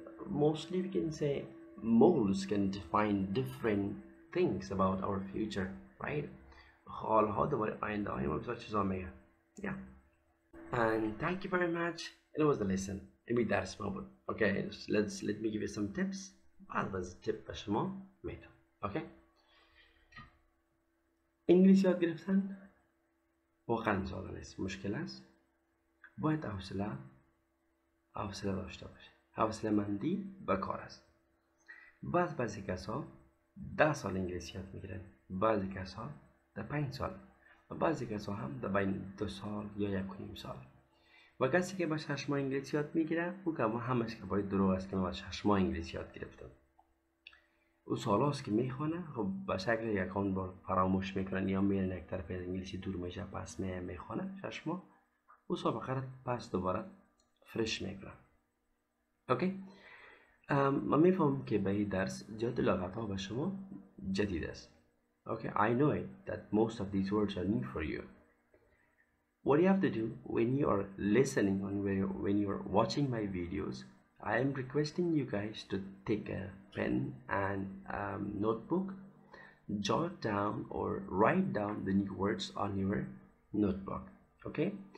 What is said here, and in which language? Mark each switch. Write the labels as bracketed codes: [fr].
[en] Mostly we can say moles can define different things about our future, right? [fa] خال ها دوباره آینده های ما بسیار چیزا میگه. [en] Yeah. And thank you very much. It was the lesson. It was [fa] درس ما بود. [en] Okay, let me give you some tips. [fa] بعد باز تیپ به شما میدم. [en] Okay. [fa] انگلیسی یاد گرفتن واقعا سوال نیست، مشکل است. باید حوصله داشته باشه. حوصله مندی به کار است. بعضی کسا 10 سال انگلیسی یاد میگیرن، بعضی کسا 5 سال و بعضی کسا هم در بین 2 سال یا 1.5 سال. و کسی که با 6 ماه انگلیسی یاد میگیره او کما همش که باید دروغ است که من با 6 ماه انگلیسی یاد گرفتم. او سال هاست که میخونه، خب به شکل یکان بار فراموش میکنن یا میرن یک طرف انگلیسی دور میشه پس میخونه 6 ماه، او سابقه را پس دوباره فرش میکنن. اوکی؟ من میفهم که به این درس جد لغت ها به شما جدید است. [en] Okay? I know it that most of these words are new for you. What you have to do when you are listening or when you are watching my videos, I am requesting you guys to take a pen and notebook, jot down or write down the new words on your notebook. Okay?